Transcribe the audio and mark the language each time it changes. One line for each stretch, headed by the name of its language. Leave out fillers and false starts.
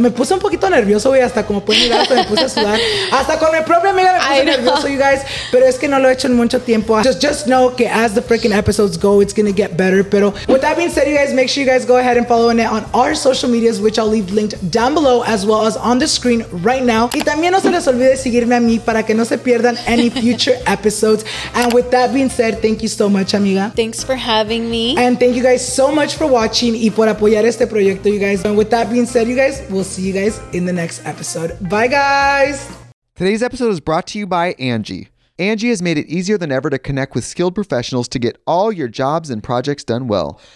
Spanish: Me puse un poquito nervioso, güey, hasta como pueden mirar, me puse a sudar. Hasta con mi propia amiga me puse nervioso,
English: you guys.
Spanish: Pero es que no lo he hecho en mucho tiempo.
English: Just know que as the freaking episodes go, it's gonna get better. Pero with that being said, you guys, make sure you guys go ahead and follow Annette on our social medias, which I'll leave linked down below as well as on the screen right now.
Spanish: Y también no se les olvide seguirme a mí para que no se pierdan
English: any future episodes. And with that being said, thank you so much, amiga. Thanks for having me. And thank you guys so much for watching
Spanish: y por apoyar este proyecto,
English: you guys. And with that being said, you guys, we'll see you guys in the next episode. Bye, guys. Today's episode is brought to you by Angie. Angie has made it easier than ever to connect with skilled professionals to get all your jobs and projects done well.